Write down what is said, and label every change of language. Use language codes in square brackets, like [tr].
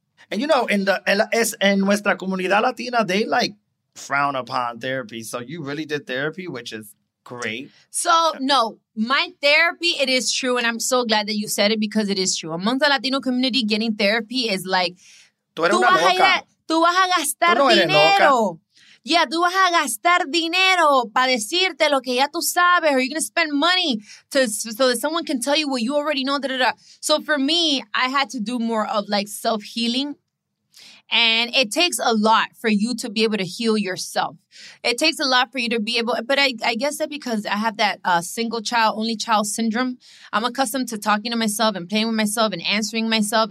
[en] And you know, in the [es] en nuestra comunidad latina, [en] they like frown upon therapy. So you really did therapy, which is great. So no, my therapy, it is true, and I'm so glad that you said it because it is true. Among the Latino community, getting therapy is like, [es] tú eres una loca. Tú vas a gastar dinero. Yeah, tú vas a gastar dinero para decirte lo que ya tú sabes. [en] Are you going to spend money to so that someone can tell you what you already know? Da, da, da. So for me, I had to do more of like self-healing. And it takes a lot for you to be able to heal yourself. It takes a lot for you to be able. But I guess that because I have that single child, only child syndrome, I'm accustomed to talking to myself and playing with myself and answering myself.